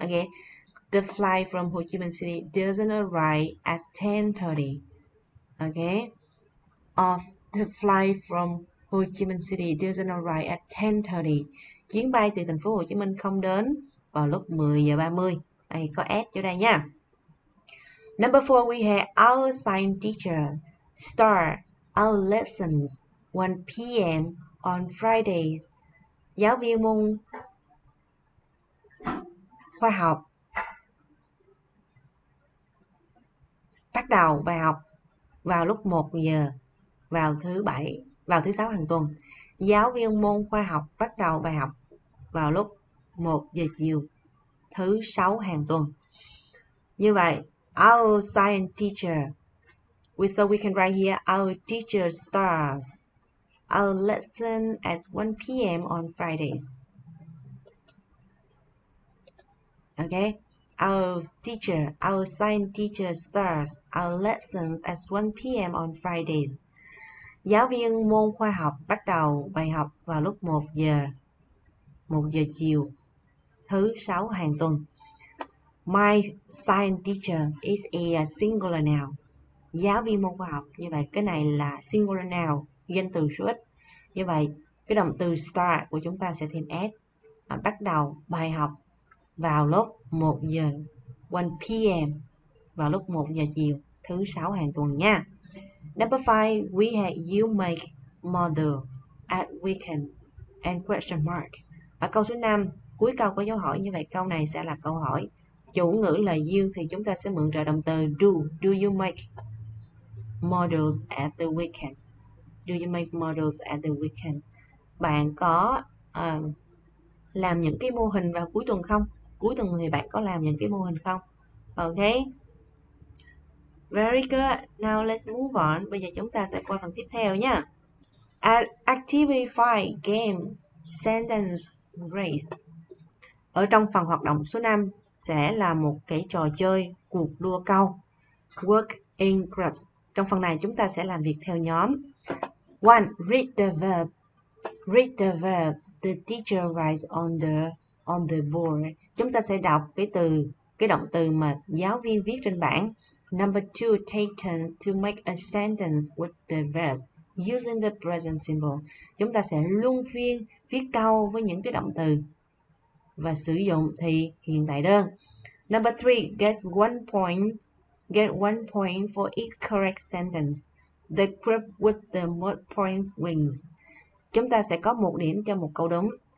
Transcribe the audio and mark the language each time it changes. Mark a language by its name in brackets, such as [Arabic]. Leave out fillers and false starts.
[English] Ok, the flight from Ho Chi Minh City doesn't arrive at 10:30. Ok, of the flight from Ho Chi Minh City doesn't arrive at 10:30. [Vietnamese] Chuyến bay từ thành phố Hồ Chí Minh không đến vào lúc 10:30. Đây có s chỗ đây nha. [English] Number 4, we have our science teacher start our lessons 1 p.m. on Fridays. [Vietnamese] Giáo viên môn khoa học bắt đầu bài học vào lúc 1 giờ vào thứ bảy, vào thứ sáu hàng tuần. Giáo viên môn khoa học bắt đầu bài học vào lúc 1 giờ chiều thứ sáu hàng tuần. Như vậy, [English] our science teacher, so we can write here, our teacher starts our lesson at 1 p.m. on Fridays. Okay, our science teacher starts our lesson at 1 p.m. on Fridays. [Vietnamese] Giáo viên môn khoa học bắt đầu bài học vào lúc 1 giờ chiều thứ sáu hàng tuần. [English] My science teacher is a singular noun. [Vietnamese] Giáo viên môn khoa học, như vậy cái này là singular noun, danh từ số ít. Như vậy cái động từ start của chúng ta sẽ thêm s, bắt đầu bài học vào lúc 1 giờ 1 p.m. vào lúc 1 giờ chiều thứ sáu hàng tuần nha. [English] Number 5, we had you make model at weekend and question mark. [Vietnamese] Và câu số 5, cuối câu có dấu hỏi, như vậy câu này sẽ là câu hỏi. Chủ ngữ là you thì chúng ta sẽ mượn trợ động từ do. [English] Do you make models at the weekend? Do you make models at the weekend? [Vietnamese] Bạn có làm những cái mô hình vào cuối tuần không? Cuối tuần thì bạn có làm những cái mô hình không? [English] Ok. Very good. Now let's move on. [Vietnamese] Bây giờ chúng ta sẽ qua phần tiếp theo nha. [English] Activity 5, game, sentence, race. [Vietnamese] Ở trong phần hoạt động số 5 sẽ là một cái trò chơi cuộc đua câu. [English] Work in groups. [Vietnamese] Trong phần này chúng ta sẽ làm việc theo nhóm. [English] 1. Read the verb. Read the verb. The teacher writes on the board. [Vietnamese] Chúng ta sẽ đọc cái từ, cái động từ mà giáo viên viết trên bảng. [English] Number 2. Take turn to make a sentence with the verb using the present simple. [Vietnamese] Chúng ta sẽ luân phiên viết câu với những cái động từ và sử dụng thì hiện tại đơn. [English] Number 3, get one point for each correct sentence. The group with the most points wins. [Vietnamese] Chúng ta sẽ có một điểm cho một câu đúng.